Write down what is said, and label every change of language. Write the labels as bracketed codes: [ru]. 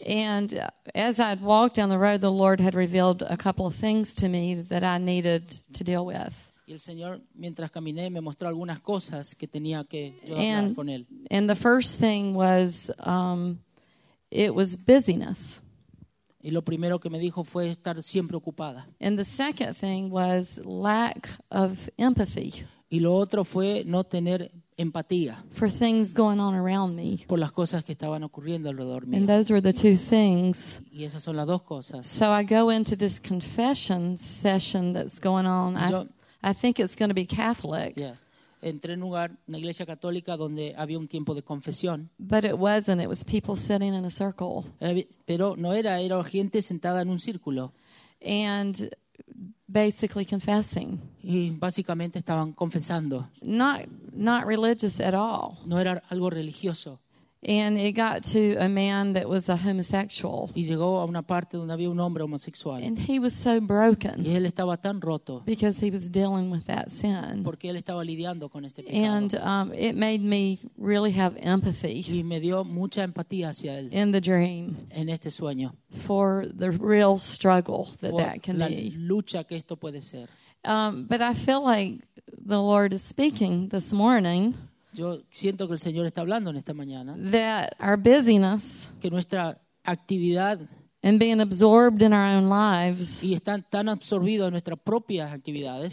[en] And as I'd walked down the road, the Lord had revealed a couple of things to me that I needed to deal with. [es] Y el Señor, mientras caminé, me mostró algunas cosas que tenía que yo hablar con él. [en] And the first thing was, it was busyness. [es] Y lo primero que me dijo fue estar siempre ocupada. [en] And the second thing was lack of empathy. [es] Y lo otro fue no tener empatía. [en] For things going on around me. [es] Por las cosas que estaban ocurriendo alrededor mío. [en] And those were the two things. [es] Y esas son las dos cosas. [en] So I go into this confession session that's going on. I think it's going to be Catholic. Yeah. [es] Entré en un lugar, una iglesia católica donde había un tiempo de confesión. [en] But it wasn't. It was people sitting in a circle. [es] Pero no era, era gente sentada en un círculo. [en] And basically confessing. [es] Y básicamente estaban confesando. [en] Not religious at all. [es] No era algo religioso. [en] And it got to a man that was a homosexual. [es] Y llegó a una parte donde había un hombre homosexual. [en] And he was so broken. [es] Y él estaba tan roto. [en] Because he was dealing with that sin. [es] Porque él estaba lidiando con este pecado. [en] And it made me really have empathy. [es] Y me dio mucha empatía hacia él. [en] In the dream. [es] En este sueño. [en] For the real struggle that [es] por [en] that can [es] la [en] be. [es] Lucha que esto puede ser. [en] But I feel like the Lord is speaking this morning. [es] Yo siento que el Señor está hablando en esta mañana. [en] That our busyness, [es] que nuestra actividad, [en] and being absorbed in our own lives, [es] y están tan absorbidos en nuestras propias actividades,